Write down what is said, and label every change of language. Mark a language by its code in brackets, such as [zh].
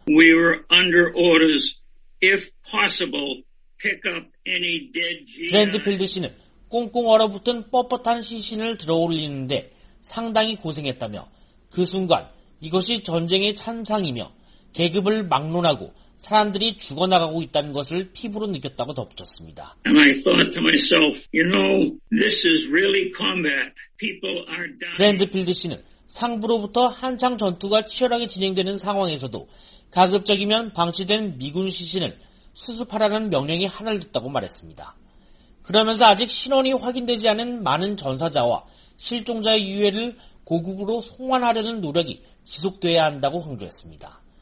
[en] We were under orders, if possible, pick up any dead GI. [ko] 그랜드필드 씨는 꽁꽁 얼어붙은 뻣뻣한 시신을 들어올리는데 상당히 고생했다며 그 순간 이것이 전쟁의 찬상이며 계급을 막론하고 사람들이 죽어나가고 있다는 것을 피부로 느꼈다고 덧붙였습니다. [en] And I thought to myself, you know, this is really combat. People are dying. [ko] 브랜드필드 씨는 상부로부터 한창 전투가 치열하게 진행되는 상황에서도 가급적이면 방치된 미군 시신을 수습하라는 명령이 하달됐다고 말했습니다. 그러면서 아직 신원이 확인되지 않은 많은 전사자와 실종자의 유해를 고국으로 송환하려는 노력이 지속돼야 한다고 강조했습니다.